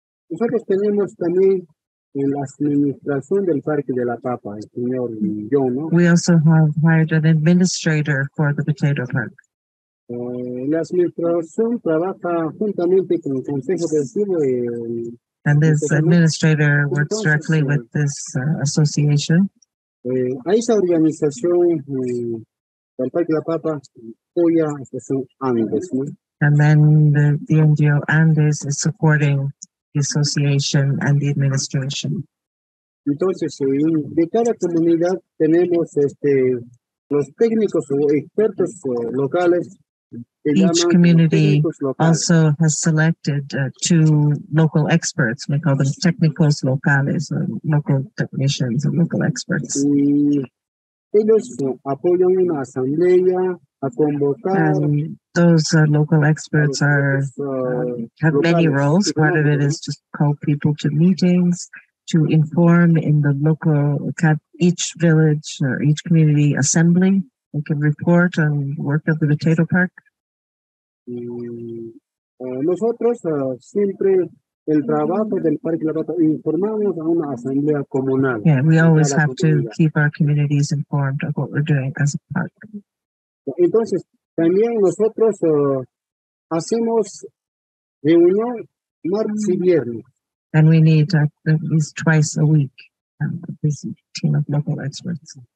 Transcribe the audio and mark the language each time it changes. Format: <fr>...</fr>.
<es>Nosotros tenemos también en la administración del Parque de la Papa, el señor John, ¿no?</es> <en>We also have hired an administrator for the potato park.</en> <es>La administración trabaja juntamente con el Consejo del Tío.</es> <en>And this administrator works directly with this association.</en> <es>A esa organización del Parque de la Papa apoya a la Andes, ¿no?</es> <en>And then the NGO Andes is supporting the association and the administration.</en> <es>Entonces, de cada comunidad tenemos los técnicos o expertos locales.</es> <en>Each community also has selected two local experts. We call them</en> <es>técnicos locales,</es> <en>or local technicians, or local experts. And those local experts have many roles. Part of it is to call people to meetings, to inform in the local, each village or each community assembly. They can report on work of the potato park.</en> <es>Nosotros siempre el trabajo del Parque de la Papa informamos a una asamblea comunal.</es> <en>Yeah, we always have to keep our communities informed of what we're doing as a park.</en> <es>Entonces, también nosotros hacemos reunión martes y viernes.</es> <en>And we need at least twice a week this team of local experts.</en>